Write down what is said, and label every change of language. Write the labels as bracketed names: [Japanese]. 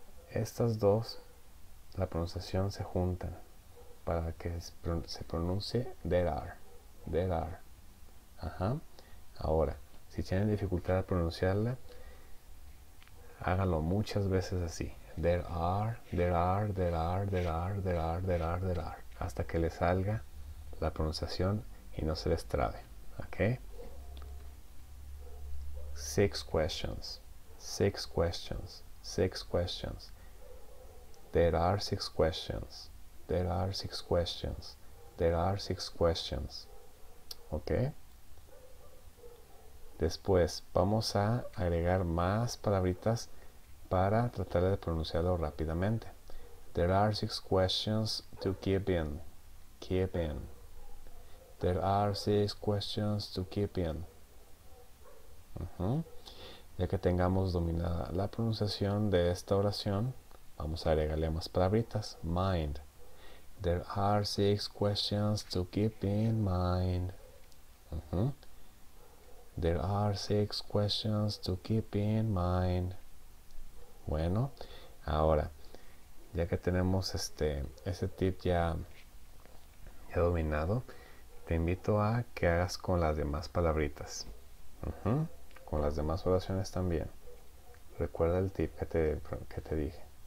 [Spanish] Estas dos, la pronunciación se juntan para que se pronuncie [English] there are. There are. [Spanish] Ahora, si tienen dificultad de pronunciarla, háganlo muchas veces así. [English] There are, there are, there are, there are, there are, there are, there are. [Spanish] Hasta que les salga la pronunciación y no se les trabe. ¿Ok? [English] Six questions. Six questions. Six questions. There are six questions. There are six questions. There are six questions. ¿Ok? [Spanish] Después vamos a agregar más palabritas para tratar de pronunciarlo rápidamente. [English] There are six questions to keep in. Keep in. There are six questions to keep in. [Spanish] Ya que tengamos dominada la pronunciación de esta oración, vamos a agregarle más palabritas. [English] Mind. There are six questions to keep in mind. There are six questions to keep in mind. [Spanish] Bueno, ahora, ya que tenemos este tip ya dominado, te invito a que hagas con las demás palabritas. Con las demás oraciones también. Recuerda el tip que te dije.